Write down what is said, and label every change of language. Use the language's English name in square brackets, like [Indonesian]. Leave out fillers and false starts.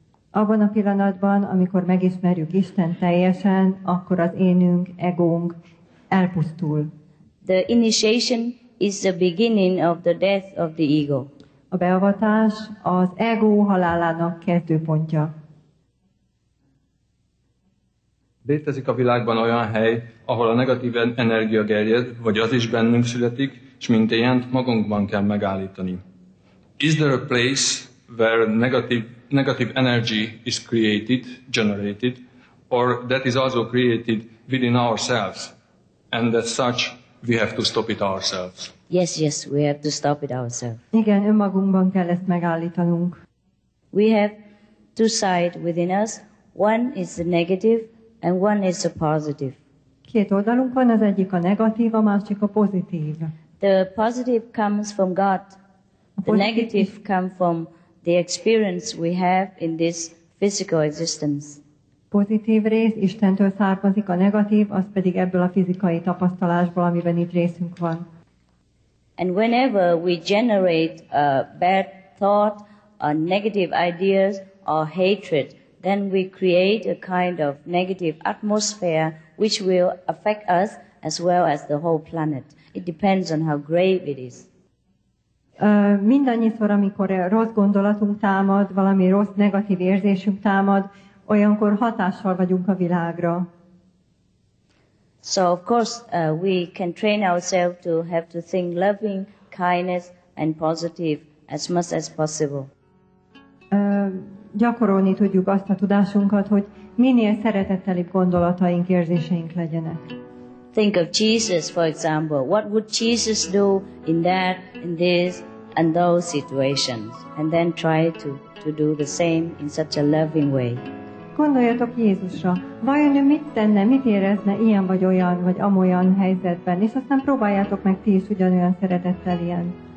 [Hungarian] Abban a pillanatban, amikor megismerjük Isten teljesen, akkor az énünk, egónk elpusztul. [English] The initiation is the beginning of the death of the ego. [Hungarian] A beavatás az ego halálának kezdőpontja. Létezik a világban olyan hely, ahol a negatív energia gerjed, vagy az is bennünk születik, és mint ilyent magunkban kell megállítani. [English] Is there a place where negative energy is created, generated, or that is also created within ourselves, and as such we have to stop it ourselves? Yes, we have to stop it ourselves. [Hungarian] Igen, önmagunkban kell ezt megállítanunk. [English] We have two sides within us. One is the negative, and one is the positive. [Hungarian] Két oldalunk van, az egyik a negatív, a másik a pozitív. [English] The positive comes from God. The negative come from the experience we have in this physical existence. [Hungarian] Pozitív rész Istentől származik, a negatív az pedig ebből a fizikai tapasztalásból, amiben itt részünk van. [English] And whenever we generate a bad thought, a negative ideas or hatred, then we create a kind of negative atmosphere which will affect us as well as the whole planet. It depends on how grave it is. [Hungarian] Mindannyiszor, amikor rossz gondolatunk támad, valami rossz, negatív érzésünk támad, olyankor hatással vagyunk a világra. [English] So of course we can train ourselves to have to think loving, kindness and positive as much as possible. [Hungarian] Gyakorolni tudjuk azt a tudásunkat, hogy minél szeretettelibb gondolataink, érzéseink legyenek. [English] Think of Jesus, for example. What would Jesus do in that, in this, and those situations? And then try to do the same in such a loving way. [Hungarian] Gondoljatok Jézusra. Vajon ő mit tenne, mit érezne ilyen vagy olyan, vagy amolyan helyzetben? És aztán próbáljátok meg ti is ugyanolyan szeretettel ilyen.